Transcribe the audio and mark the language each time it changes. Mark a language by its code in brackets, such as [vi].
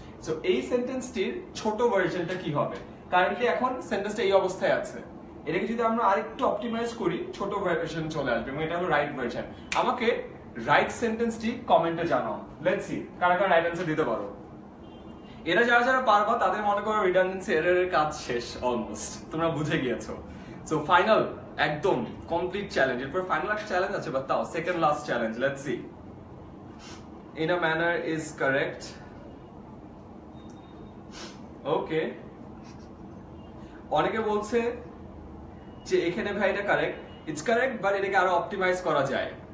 [bn] So এই সেন্টেন্সটির ছোট ভার্সনটা কি হবে? কারেন্টলি এখন সেন্টেন্সটা এই অবস্থায় আছে, এটাকে যদি আমরা আরেকটু অপটিমাইজ করি ছোট ভার্সন চলে আসবে, এবং এটা হলো রাইট ভার্সন। আমাকে রাইট সেন্টেন্সটি কমেন্টে জানাও, [en] let's see [bn] কারা কারা রাইট অ্যান্সার দিতে পারো। এরা যারা যারা পারবা তাদের মনে করো রিডান্ডেন্সি এরর এর কাজ শেষ, অলমোস্ট তোমরা বুঝে গিয়েছো। [en] So final, একদম complete challenge. [bn] এরপর [en] final [bn] একটা [en] challenge [bn] আছে, বাট তাও [en] second last challenge. Let's see. In a manner is correct. [bn] Okay. অনেকে বলছে যে এখানে ভাই এটা কারেক্ট, [en] it's correct, [bn] বাট এটাকে আরো অপটিমাইজ করা যায়।